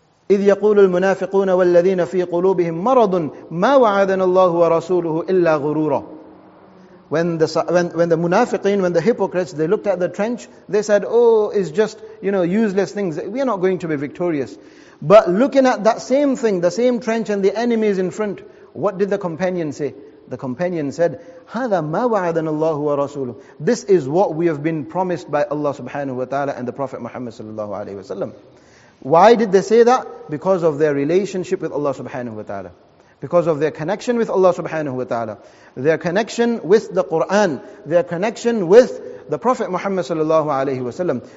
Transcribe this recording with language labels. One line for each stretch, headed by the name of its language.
Arabic: إِذْ يَقُولُ الْمُنَافِقُونَ وَالَّذِينَ فِي قُلُوبِهِمْ مَرَضٌ مَا وَعَذَنَ اللَّهُ وَرَسُولُهُ إِلَّا غُرُورًا.
English: When the munafiqeen, when the hypocrites, they looked at the trench, they said, oh, it's just, you know, useless things. We are not going to be victorious. But looking at that same thing, the same trench and the enemies in front, what did the companion say? The companion said,
Arabic: هَذَا مَا وَعَذَنَ اللَّهُ وَرَسُولُهُ.
English: This is what we have been promised by Allah subhanahu wa ta'ala and the Prophet Muhammad sallallahu alayhi wa sallam. Why did they say that? Because of their relationship with Allah subhanahu wa ta'ala. Because of their connection with Allah subhanahu wa ta'ala. Their connection with the Qur'an. Their connection with the Prophet Muhammad sallallahu alayhi wa sallam.